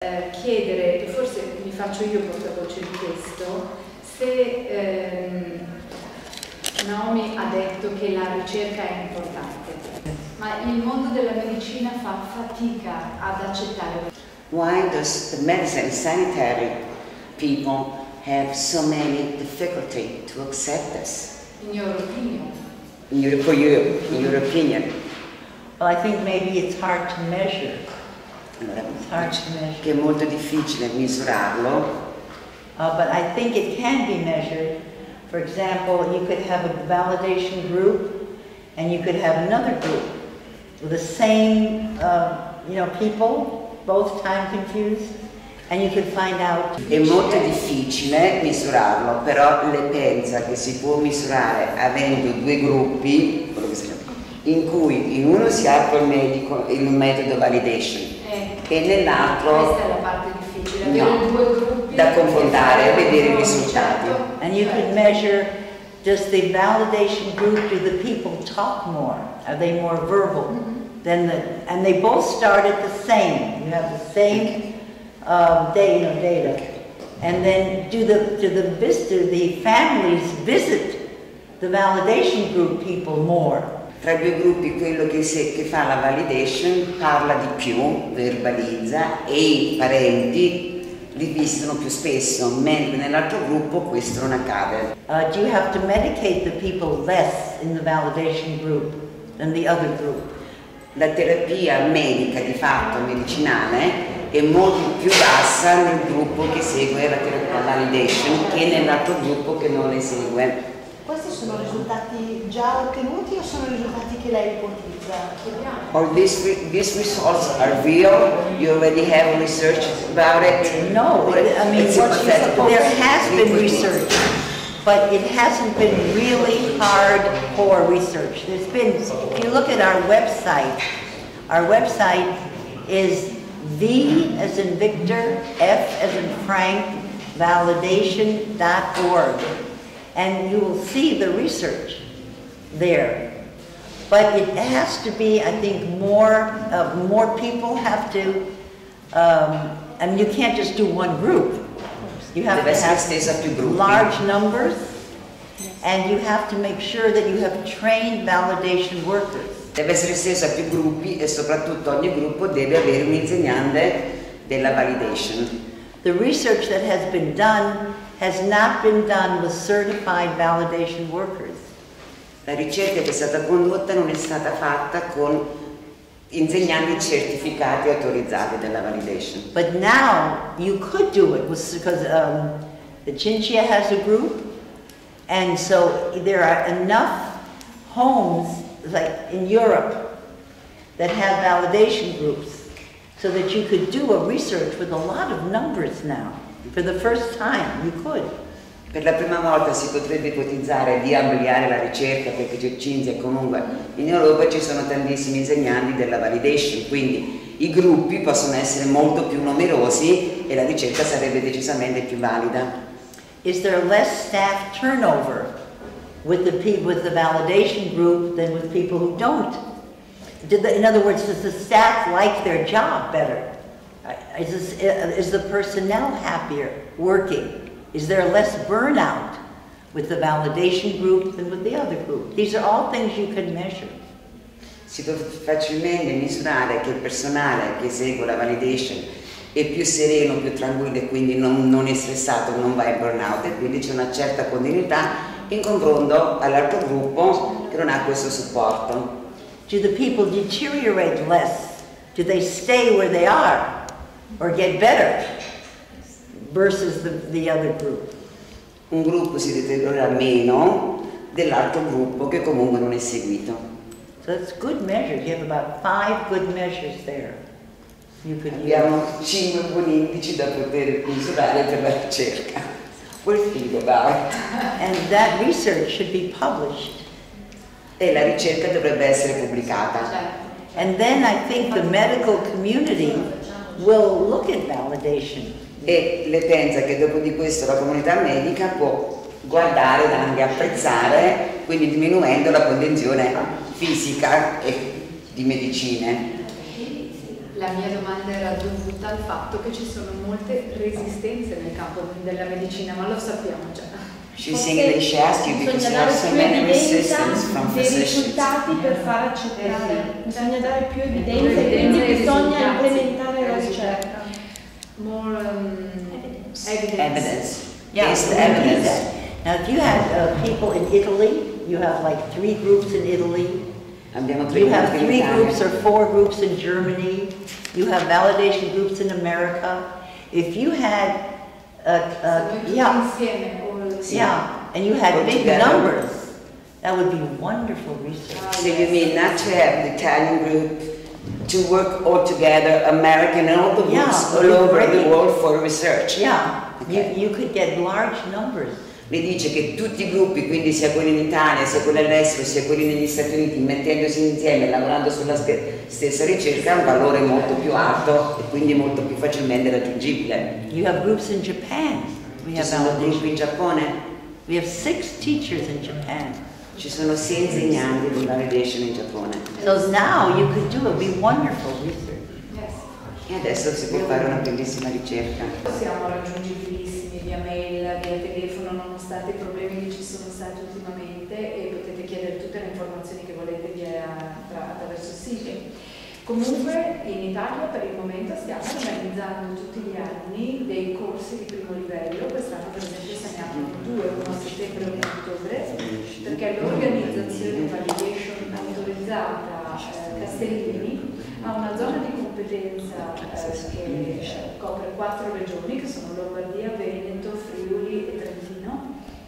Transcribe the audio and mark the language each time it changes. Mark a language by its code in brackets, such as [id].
[it] chiedere, e forse mi faccio io portavoce di questo, se Naomi ha detto che la ricerca è importante, ma il mondo della medicina fa fatica ad accettare. [en] Why does the medicine sanitary people have so many difficulty to accept this? In your opinion. In your opinion. Well, I think maybe it's hard to measure. [it] Che è molto difficile misurarlo. [en] But I think it can be measured. For example, you could have a validation group and you could have another group with the same people, both time confused, and you could find out. [it] È molto difficile misurarlo, però lei pensa che si può misurare avendo due gruppi, in cui in uno si apre il medico in un metodo validation. E nell'altro questa è la parte difficile, no, da confrontare e vedere i risultati. [en] And you could measure, does the validation group, do the people talk more? Are they more verbal? And they both start at the same. You have the same data. And then do the families visit the validation group people more? [it] Tra due gruppi quello che fa la validation parla di più, verbalizza, e i parenti li visitano più spesso, mentre nell'altro gruppo questo non accade. [en] Do you have to medicate the people less in the validation group than the other group? [it] La terapia medica di fatto medicinale è molto più bassa nel gruppo che segue la terapia validation che nell'altro gruppo che non le segue. Questi sono risultati già ottenuti o sono risultati che lei ipotizza? [en] Or these results are real? You already have research about it? No, there has been research, but it hasn't been really hardcore research. There's been, if you look at our website is V as in Victor, F as in Frank, validation.org. And you will see the research there. But it has to be, I think, more people have to, and you can't just do one group. You have to have large numbers, and you have to make sure that you have trained validation workers. [it] Deve essere stesa più gruppi, e soprattutto ogni gruppo deve avere un insegnante della validation. [en] The research that has been done has not been done with certified validation workers. [it] La ricerca che è stata condotta non è stata fatta con insegnanti certificati autorizzati della validation. [en] But now you could do it because the Chinchia has a group, and so there are enough homes like in Europe that have validation groups so that you could do a research with a lot of numbers now. For the first time, you could. [it] Per la prima volta si potrebbe ipotizzare di ampliare la ricerca, perché c'è Cinzia, comunque in Europa ci sono tantissimi insegnanti della validation, quindi i gruppi possono essere molto più numerosi e la ricerca sarebbe decisamente più valida. [en] Is there less staff turnover with the validation group than with people who don't? In other words, does the staff like their job better? Is the personnel happier working? Is there less burnout with the validation group than with the other group? These are all things you can measure. [it] Si può facilmente misurare che il personale che segue la validation è più sereno, più tranquillo, e quindi non è stressato, non va in burnout, e quindi c'è una certa continuità in confronto all'altro gruppo che non ha questo supporto. [en] Do the people deteriorate less? Do they stay where they are? Or get better versus the other group. [it] Un gruppo si deteriora meno dell'altro gruppo che comunque non è seguito. [en] So that's good measures. You have about five good measures there. You could [it] abbiamo [en] use. [it] Cinque buoni indici da poter misurare per la ricerca. [en] We'll think about it. And that research should be published. [it] E la ricerca dovrebbe essere pubblicata. [en] And then I think the medical community will look at validation. [it] E le pensa che dopo di questo la comunità medica può guardare ed anche apprezzare, quindi diminuendo la condizione fisica e di medicine. La mia domanda era dovuta. dovuta al fatto che ci sono molte resistenze nel campo della medicina, ma lo sappiamo già. [en] She's English asking because there are so many resistance from physicians. [it] Dei risultati per far accettare. Bisogna dare più evidenza, quindi bisogna implementare la ricerca. [en] More evidence. Yes, the evidence. Now, if you have people in Italy, you have like three groups in Italy. You have three groups or four groups in Germany. You have validation groups in America. If you had, and you had big numbers, that would be wonderful research. So you mean not to have an Italian group to work all together, American and all the groups all over the world for research? Yeah, okay. you could get large numbers. [it] Lei dice che tutti i gruppi, quindi sia quelli in Italia, sia quelli all'estero, sia quelli negli Stati Uniti, mettendosi insieme e lavorando sulla stessa ricerca, ha un valore molto più alto e quindi molto più facilmente raggiungibile. [en] You have groups in Japan. We have validation. [it] Gruppi in Giappone. [en] We have six teachers in Japan. [it] Ci sono sei insegnanti di validation in Giappone. [en] So now you could do a wonderful research. Yes. [it] E adesso si può fare una bellissima ricerca. Possiamo raggiungibilissimi via mail, via telefono, nonostante i problemi che ci sono stati ultimamente, e potete chiedere tutte le informazioni che volete via attraverso il sito. Comunque in Italia per il momento stiamo organizzando tutti gli anni dei corsi di primo livello, quest'anno per esempio se ne hanno due, uno a settembre e uno a ottobre, perché l'organizzazione validation autorizzata Castellini ha una zona di competenza che copre quattro regioni, che sono Lombardia, Veneto, Friuli e Trentino,